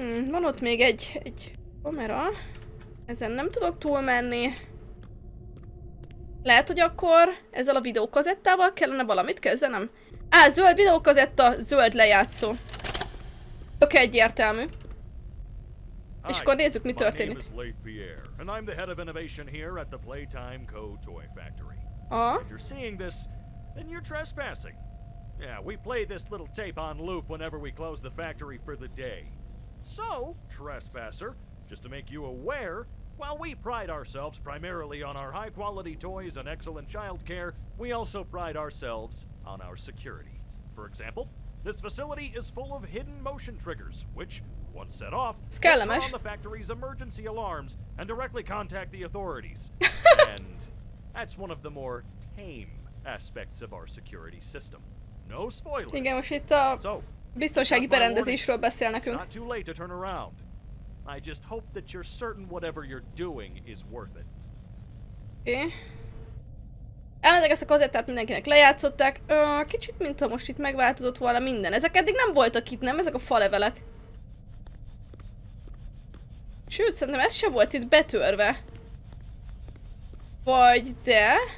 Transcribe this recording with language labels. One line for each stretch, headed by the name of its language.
Hungarian: Van ott még egy kamera. Ezen nem tudok túlmenni. Lehet, hogy akkor ezzel a videókazettával kellene valamit kezdenem? Á, zöld videókazetta, zöld lejátszó. Tök egyértelmű. És akkor nézzük, mi történik.
English: And I'm the head of innovation here at the Playtime Co. Toy Factory. If you're seeing this, then you're trespassing. Yeah, we play this little tape on loop whenever we close the factory for the day. So, trespasser, just to make you aware, while we pride ourselves primarily on our high-quality toys and excellent childcare, we also pride ourselves on our security. For example, this facility is full of hidden motion triggers, which, once set off, turn on the factory's emergency alarms and directly contact the authorities. And that's one of the more tame aspects of our security system. No spoilers.
Hungarian: Igen, most itt a biztonsági berendezésről beszél nekünk.
English: Not too late to turn around. I just hope that you're certain whatever you're doing is worth it.
Hungarian: Elmentek ezt a kazettát, mindenkinek lejátszották. Kicsit, mintha most itt megváltozott volna minden. Ezek eddig nem voltak itt, nem? Ezek a falevelek. Sőt, szerintem ez se volt itt betörve. Vagy de...